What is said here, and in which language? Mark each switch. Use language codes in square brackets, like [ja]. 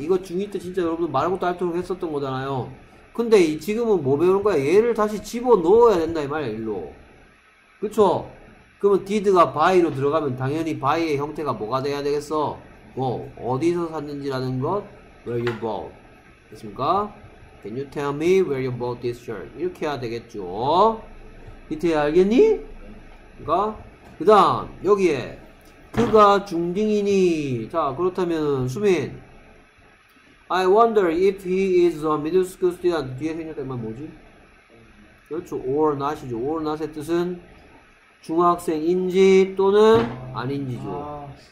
[ko] 이거 중2 때 진짜 여러분들 말하고도 알도록 했었던 거잖아요. 근데 지금은 뭐 배우는 거야? 얘를 다시 집어넣어야 된다 이 말이야, 일로. 그쵸? 그러면 did가 buy로 들어가면 당연히 buy의 형태가 뭐가 돼야 되겠어? 뭐, 어디서 샀는지라는 것? [en] Where you bought? [ko] 됐습니까? [en] Can you tell me where you bought this shirt? [ko] 이렇게 해야 되겠죠? 밑에 알겠니? 그니까? 그 다음, 여기에 그가 중딩이니? 자, 그렇다면 수민 [en] I wonder if he is a middle school student. [ko] 뒤에 생겼던 말 뭐지? 그렇죠. or not이죠. or not의 뜻은 중학생인지 또는 아닌지죠.